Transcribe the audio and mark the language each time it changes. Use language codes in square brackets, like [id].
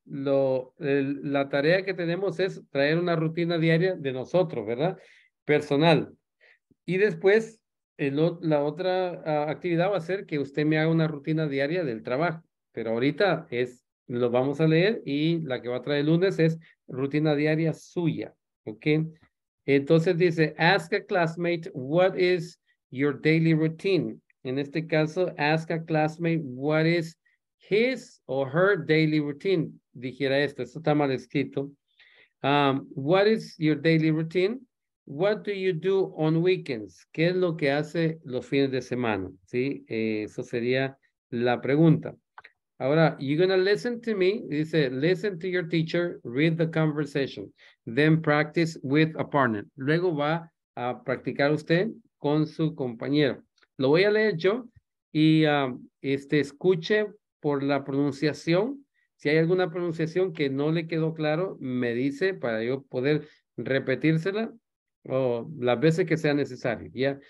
[es] La tarea que tenemos es traer una rutina diaria de nosotros, ¿verdad? Personal. Y después, la otra actividad va a ser que usted me haga una rutina diaria del trabajo. Pero ahorita lo vamos a leer, y la que va a traer el lunes es rutina diaria suya. ¿Ok? [en] Entonces dice, ask a classmate, what is your daily routine? En este caso, ask a classmate, what is his or her daily routine? [es] Dijera esto, esto está mal escrito. What is your daily routine? [en] What do you do on weekends? [es] ¿Qué es lo que hace los fines de semana? ¿Sí? Eso sería la pregunta. Ahora, you're going to listen to me. [en] Dice, listen to your teacher, read the conversation, then practice with a partner. [es] Luego va a practicar usted con su compañero. Lo voy a leer yo y escuche por la pronunciación. Si hay alguna pronunciación que no le quedó claro, me dice para yo poder repetírsela o las veces que sea necesario. ¿Ya?